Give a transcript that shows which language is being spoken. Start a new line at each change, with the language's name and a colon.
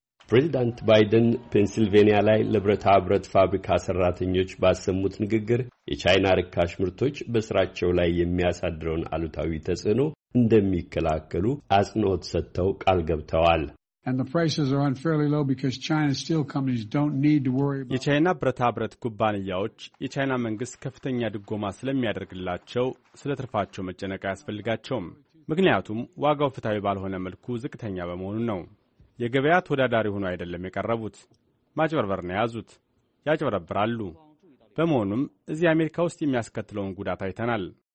Amharic: ፕሬዚዳንት ባይደን ፔንሲልቬንያ ላይ ለብረታ ብረት ፋብሪካ ሰራተኞች ባሰሙት ንግግር የቻይና ርካሽ ምርቶች በስራቸው ላይ የሚያሳድረውን አሉታዊ ተጽዕኖ እንደሚከላከሉ አጽንኦት ሰጥተው ቃል ገብተዋል።
English: And the prices are unfairly low because China's steel companies don't need to worry about
Amharic: የቻይና ብረታ ብረት ኩባንያዎች የቻይና መንግስት ከፍተኛ ድጎማ ስለሚያደርግላቸው ስለትርፋቸው መጨነቅ አያስፈልጋቸውም። ምክንያቱም ዋጋው ፍትሃዊ ባልሆነ መልኩ ዝቅተኛ በመሆኑ ነው። የገበያ ተወዳዳሪ ሆኖ አይደለም የቀረቡት፣ ማጭበርበር ነው ያዙት፣ ያጭበረብራሉ። በመሆኑም እዚህ አሜሪካ ውስጥ የሚያስከትለውን ጉዳት አይተናል።